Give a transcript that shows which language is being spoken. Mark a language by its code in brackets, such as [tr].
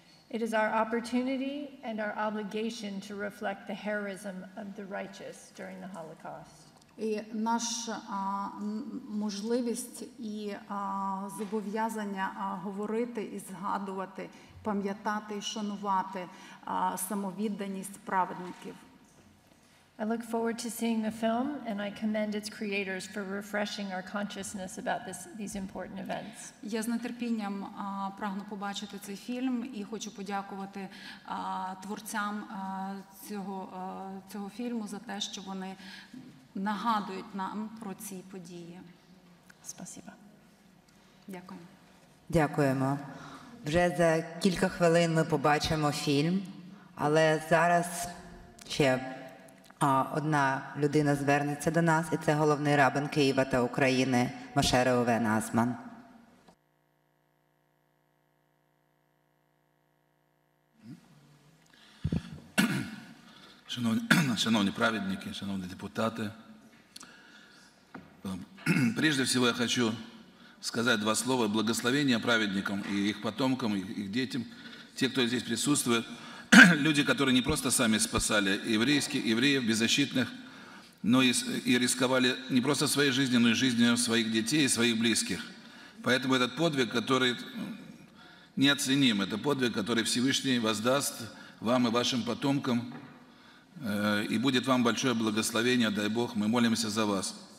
[en] It is our opportunity and our obligation to reflect the heroism of the righteous during the Holocaust. [uk] І наша можливість і зобов'язання говорити і згадувати, пам'ятати і шанувати самовідданість праведників. [en] I look forward to seeing the film and I commend its creators for refreshing our consciousness about these important events. [uk] Я з нетерпінням прагну побачити цей фільм і хочу подякувати творцям цього фільму за те, що вони нагадують нам про ці події. [ru] Спасибо. [uk] Дякую. Дякуємо. Вже за кілька хвилин ми побачимо фільм, але зараз ще одна людина звернеться до нас, і це головний рабин Києва та України Моше Реувен Азман. Шановні праведники, шановні депутати, [ru] прежде всего [uk] я хочу сказати два слова благословення праведникам і їх потомкам, і їх дітям, ті, хто тут присутствує. [ru] Люди, которые не просто сами спасали евреев, беззащитных, но и рисковали не просто своей жизнью, но и жизнью своих детей и своих близких. Поэтому этот подвиг, который неоценим, это подвиг, который Всевышний воздаст вам и вашим потомкам, и будет вам большое благословение, дай Бог, мы молимся за вас.